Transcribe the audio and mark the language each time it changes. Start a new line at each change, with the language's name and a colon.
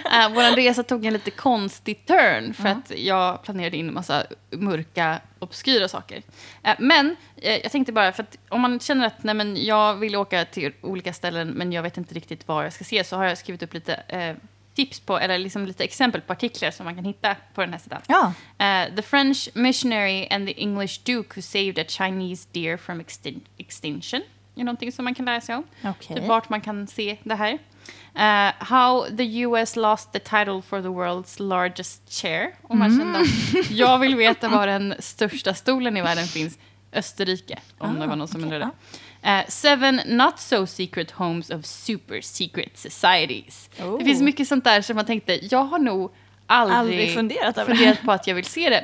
Swedish: Vår resa tog en lite konstig turn. För att jag planerade in en massa mörka, obskyra saker. Men jag tänkte bara, för att om man känner att nej, men jag vill åka till olika ställen, men jag vet inte riktigt vad jag ska se, så har jag skrivit upp lite tips på, eller liksom lite exempel på artiklar som man kan hitta på den här sidan. Ja.
English: The French missionary and the English duke who saved a Chinese deer from extinction.
Swedish: Är någonting som man kan lära sig om. Okay. Typ vart man kan se det här.
English: How the US lost the title for the world's largest chair.
Swedish: Om man kände, jag vill veta var den största stolen i världen finns. Österrike, om det var någon som undrar det.
English: Seven not so secret homes of super secret societies. Oh.
Swedish: Det finns mycket sånt där som man tänkte, jag har nog aldrig funderat på att jag vill se det.